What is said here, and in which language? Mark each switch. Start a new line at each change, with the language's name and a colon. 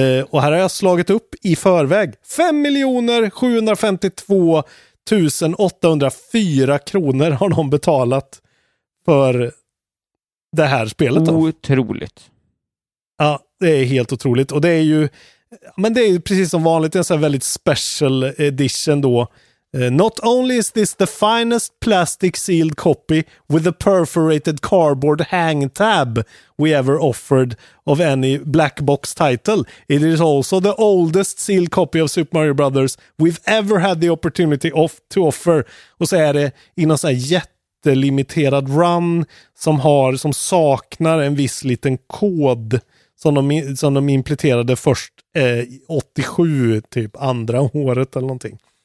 Swedish: Och här har jag slagit upp i förväg 5,752,804 kronor har de betalat för det här spelet. Otroligt. Då. Ja, det är helt otroligt. Och det är ju, men det är ju precis som vanligt en sån här väldigt special edition då.
English: Not only is this the finest plastic sealed copy with a perforated cardboard hang tab we ever offered of any black box title, it is also the oldest sealed copy of Super Mario Brothers we've ever had the opportunity to offer.
Swedish: Och så är det i någon sån här jättelimiterad run som saknar en viss liten kod som de implementerade först 87, typ andra året eller någonting.